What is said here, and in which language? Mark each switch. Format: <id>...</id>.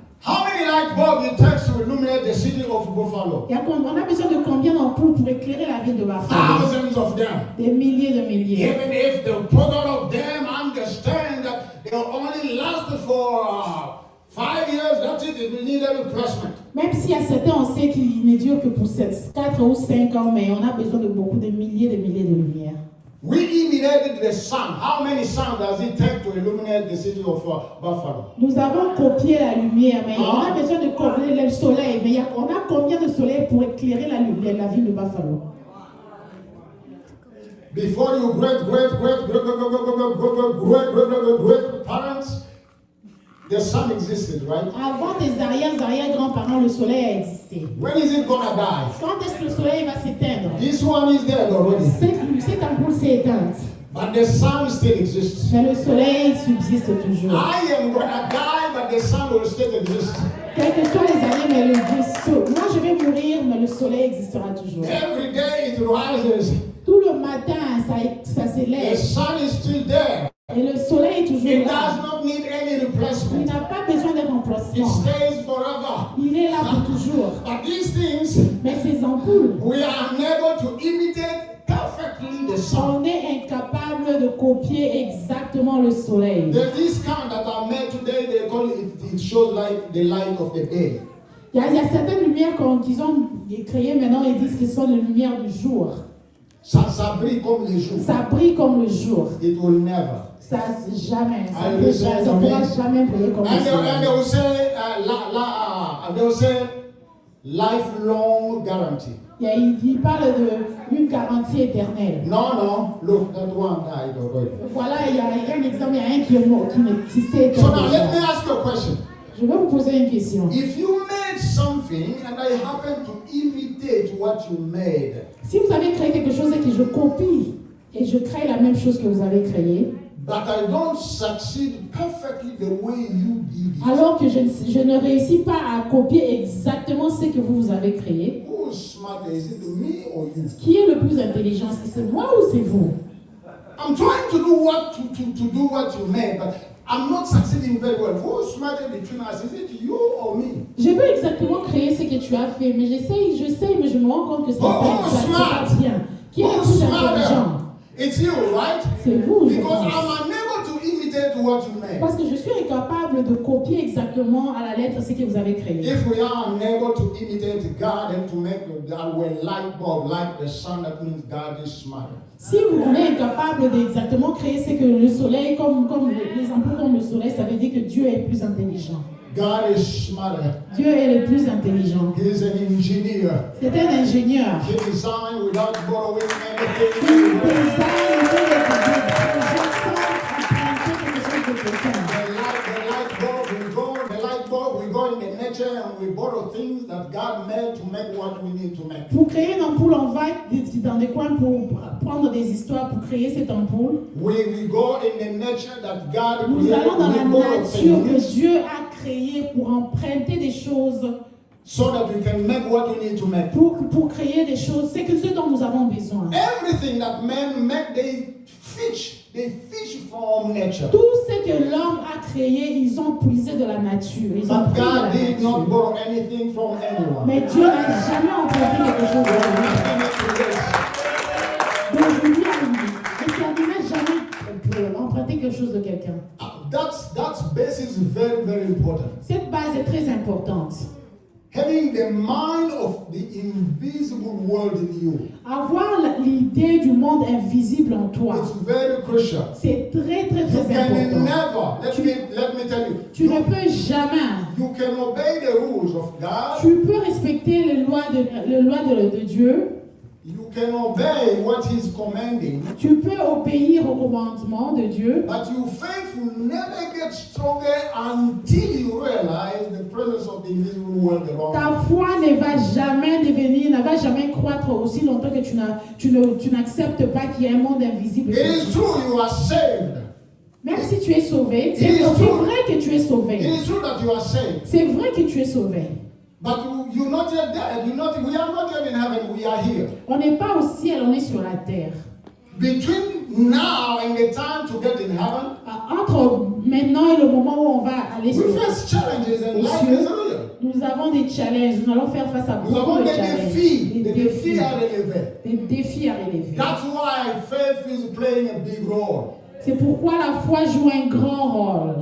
<en>How many light bulbs it takes to illuminate the city of Buffalo?</en> <fr>On a besoin de combien d'ampoules pour éclairer la ville de Buffalo?</fr> <en>Thousands of them.</en> <fr>Des milliers de milliers.</fr> <en>Even if the total of them understand that they will only last for 5 years, that's it, we need a replacement.</en> <fr>Même si à certains on sait qu'il ne dure que pour 4 ou 5 ans, mais on a besoin de beaucoup de milliers de lumières.</fr> <en>We illuminated the sun. How many suns does it take to illuminate the city of Buffalo?</en> <fr>Nous avons copié la lumière, mais on a besoin de copier le soleil. Mais on a combien de soleil pour éclairer la lumière, la ville de Buffalo?</fr> <en>Before you great parents, the sun existed, right?</en> <fr>Avant tes arrière-grands-parents, le soleil a existé.</fr> <en>When is it gonna die?</en> <fr>Quand est-ce que le soleil va s'éteindre?</fr> <en>This one is dead already.</en> <fr>Cette ampoule s'est éteinte.</fr> <en>But the sun still exists.</en> <fr>Mais le soleil subsiste toujours.</fr> <en>I am gonna die, but the sun will still exist.</en> <fr>Quelles que soient les années, mais le soleil. Moi, je vais mourir, mais le soleil existera toujours.</fr> <en>Every day it rises.</en> <fr>Tout le matin, ça s'élève.</fr> <en>The sun is still there.</en> <fr>Et le soleil est toujours</fr> <en>Does not need any replacement.</en> <fr>Il n'a pas besoin de remplacement.</fr> <en>It stays forever.</en> <fr>Il est là pour toujours.</fr> <en>But these things,</en> <fr>mais ces ampoules,</fr> <en>we are unable to imitate perfectly the sun.</en> <fr>On est incapable de copier exactement le soleil.</fr> <en>There's this kind that are made today, they call it shows like the light of the day.</en> <fr>Il y a certaines lumières qu'ils ont créées maintenant et disent qu'elles sont les lumières du jour. Ça brille comme le jour. Ça brille comme le jour.</fr> <en>It will never.</en> <fr>Ça jamais. Ça ne pourra jamais briller comme le jour.</fr> <en>And they will say, they will say, lifelong guarantee.</en> <fr>Yeah, il parle de une garantie éternelle.</fr> <en>Non. Look, that one died already.</en> <fr>Voilà, il y a un exemple qui est mort, qui n'existe pas.</fr> <en>So now, let me ask you a question.</en> <fr>Je vais vous poser une question.</fr> <en>If you made something and I happen to imitate what you made.</en> <fr>Si vous avez créé quelque chose et que je copie et je crée la même chose que vous avez créé.</fr> <en>But I don't succeed perfectly the way you did it.</en> <fr>Alors que je ne réussis pas à copier exactement ce que vous avez créé.</fr> <en>Who's smarter, is it me or you?</en> <fr>Qui est le plus intelligent, est-ce que c'est moi ou c'est vous?</fr> <en>I'm trying to do what you made, but I'm not succeeding very well. Who's smarter between us? Is it you or me?</en> <fr>Je veux exactement créer ce que tu as fait, mais j'essaie, mais je me rends compte que c'est pas bien.</fr> <en>Who's smarter?</en> <fr>Qui est plus intelligent?</fr> <en>It's you, right?</en> <fr>C'est vous.</fr> <en>Because I'm unable to imitate what you made.</en> <fr>Parce que je suis incapable de copier exactement à la lettre ce que vous avez créé.</fr> <en>If we are unable to imitate God and to make that way light bulb like the sun, that means God is smarter.</en> <fr>Si vous êtes incapable d'exactement créer ce que le soleil, comme le soleil, ça veut dire que Dieu est plus intelligent.</fr> <en>God is smarter.</en> <fr>Dieu est le plus intelligent.</fr> <en>He is an engineer.</en> <fr>C'est un ingénieur.</fr> <en>He designed without borrowing anything. The light bulb, we go in the nature and we borrow things that God made to make what we need to make.</en> <fr>Pour créer une ampoule, on va dans des coins pour prendre des histoires pour créer cette ampoule.</fr> <en>We go in the nature that God</en> <fr>nous</fr> <en>created.</en> <fr>Allons dans la nature que Dieu a créée pour emprunter des choses.</fr> <en>So that we can make what we need to make.</en> <fr>Pour créer des choses, c'est que ce dont nous avons besoin.</fr> <en>Everything that men make, they fish from nature.</en> <fr>Tout ce que l'homme a créé, ils ont puisé de la nature. Ils ont</fr> <en>But God</en> <fr>la</fr> <en>did</en> <fr>nature.</fr> <en>Not borrow anything from anyone.</en> <fr>Mais Dieu n'a jamais emprunté quelque chose de lui. Donc je dis à lui, je ne terminerai jamais emprunter quelque chose de quelqu'un.</fr> <en>That base is very, very important.</en> <fr>Cette base est très importante.</fr> <en>Having the mind of the invisible world in you.</en> <fr>Avoir l'idée du monde invisible en toi.</fr> <en>It's very crucial.</en> <fr>C'est très très très</fr> <en>you</en> <fr>important.</fr> <en>You can never. Let me tell you.</en> <fr>Tu ne peux jamais.</fr> <en>You can obey the rules of God.</en> <fr>Tu peux respecter les lois de Dieu.</fr> <en>You can obey what he's commanding.</en> <fr>Tu peux obéir au commandement de Dieu.</fr> <en>But your faith will never get stronger until you realize the presence of the invisible world around you.</en> <fr>Ta foi ne va jamais devenir, ne va jamais croître aussi longtemps que tu n'acceptes pas qu'il y ait un monde invisible.</fr> <en>It is true you are saved.</en> <fr>Même si tu es sauvé, c'est vrai que tu es sauvé.</fr> <en>It is true that you are saved.</en> <fr>C'est vrai que tu es sauvé.</fr> <en>But you're not yet dead. You're not. We are not yet in heaven. We are here.</en> <fr>On n'est pas au ciel. On est sur la terre.</fr> <en>Between now and the time to get in heaven.</en> <fr>Entre maintenant et le moment où on va aller sur.</fr> <en>We face challenges in life, isn't it?</en> <fr>Nous avons des challenges. Nous allons faire face à beaucoup de challenges. Nous avons des défis à relever.</fr> <en>That's why faith is playing a big role.</en> <fr>C'est pourquoi la foi joue un grand rôle.</fr>